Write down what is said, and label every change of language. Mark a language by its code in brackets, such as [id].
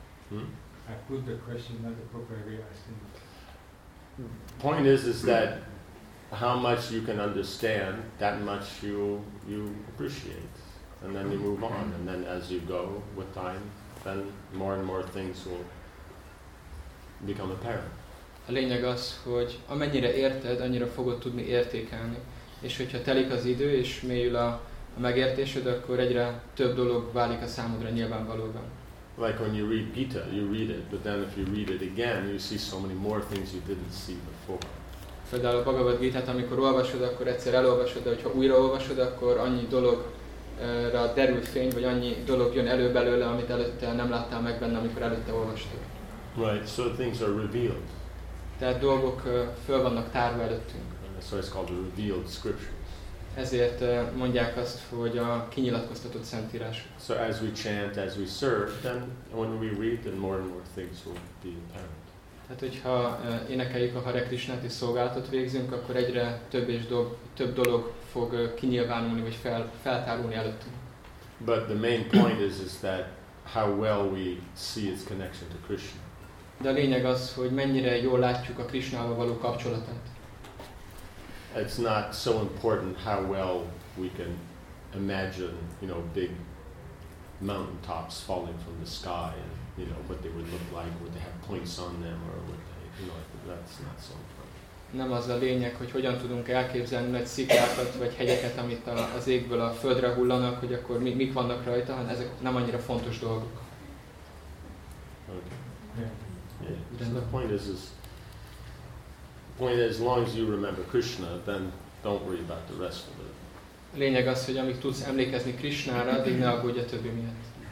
[en] The question not the proper way, I think. Point is that how much you can understand, that much you appreciate. And then you move on. And then as you go with time, then more and more things will become apparent. [hu] A lényeg az, hogy amennyire érted, annyira fogod tudni értékelni. És hogyha telik az idő és mélyül a megértésed, akkor egyre több dolog válik a számodra nyilvánvalóban. [en] Like when you read Gita, you read it, but then if you read it again, you see so many more things you didn't see before. [hu] Például a Bhagavad Gita-t, amikor olvasod, akkor egyszer elolvasod, de hogyha újra olvasod, akkor annyi dologra derül fény, vagy annyi dolog jön elő belőle, amit előtte nem láttál meg benne, amikor előtte olvastad. [en] Right, so things are revealed. [hu] Tehát dolgok föl vannak tárva előttünk. [en] So it's called the revealed scriptures. [hu] Ezért mondják azt, hogy a kinyilatkoztatott szentírás. [en] So as we chant, as we serve, then when we read, then more and more things will be apparent. [hu] Tehát, hogyha énekeljük a Hare Krishnát és szolgálatot végzünk, akkor egyre több dolog fog kinyilvánulni, vagy feltárulni előttünk. [en] But the main point is that how well we see its connection to Krishna. [hu] De a lényeg az, hogy mennyire jól látjuk a Krishnával való kapcsolatát. [en] It's not so important how well we can imagine, you know, big mountain tops falling from the sky, and you know what they would look like. Would they have points on them, or would they, you know, that's not so important. [hu] Nem az a lényeg, hogy hogyan tudunk elképzelni nagy sziklákat vagy hegyeket, amit az égből a földre hullanak, hogy akkor mik vannak rajta, hanem ezek nem annyira fontos dolgok. [en] Okay. Yeah. Yeah. So the point is, as long as you remember Krishna, then don't worry about the rest of it. [hu] Lényeg az, hogy amíg tudsz emlékezni Krishnára, addig ne aggódj a többi miatt.